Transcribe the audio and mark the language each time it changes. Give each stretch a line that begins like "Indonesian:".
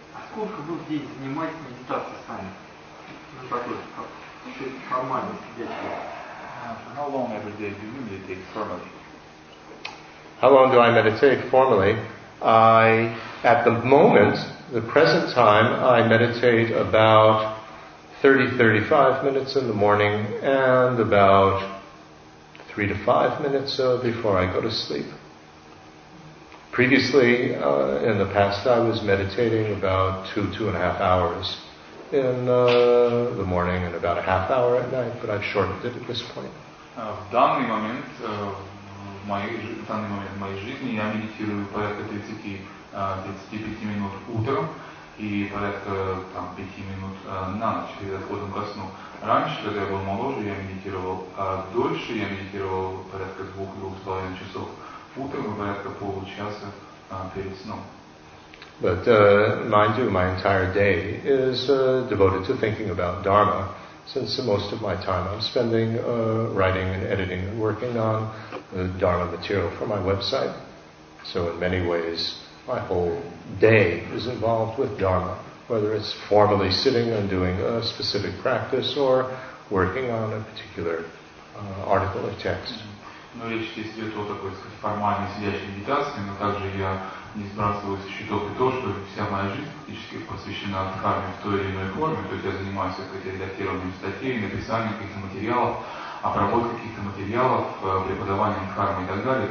Russian: Сколько вы в день занимаетесь медитацией сами? Ну, такой, как формально сидящий.
English: How long every day do you meditate formally? How long do I meditate formally? I, at the moment, the present time, I meditate about 30-35 minutes in the morning and about 3 to 5 minutes before I go to sleep. Previously, in the past, I was meditating about 2-2.5 hours in the morning and about a half hour at night, but I've shortened it at this point.
Russian: В данный момент моей жизни я медитирую порядка 30-35 минут утром и порядка 5 минут на ночь перед отходом ко сну. Раньше, когда я был моложе, я медитировал дольше, я медитировал порядка 2-2.5 часов утром и порядка получаса перед сном.
English: But mind you, my entire day is devoted to thinking about Dharma. Since most of my time I'm spending writing and editing and working on Dharma material for my website. So in many ways, my whole day is involved with Dharma, whether it's formally sitting and doing a specific practice or working on a particular article or text.
Russian: Но речь здесь идет о такой, так сказать, формальной сидящей медитации, но также я не сбрасываю со счетов и то, что вся моя жизнь практически посвящена дхарме в той или иной форме, то есть я занимаюсь какими-то редактированием статей, написанием каких-то материалов, обработкой каких-то материалов, преподаванием дхармы и так далее.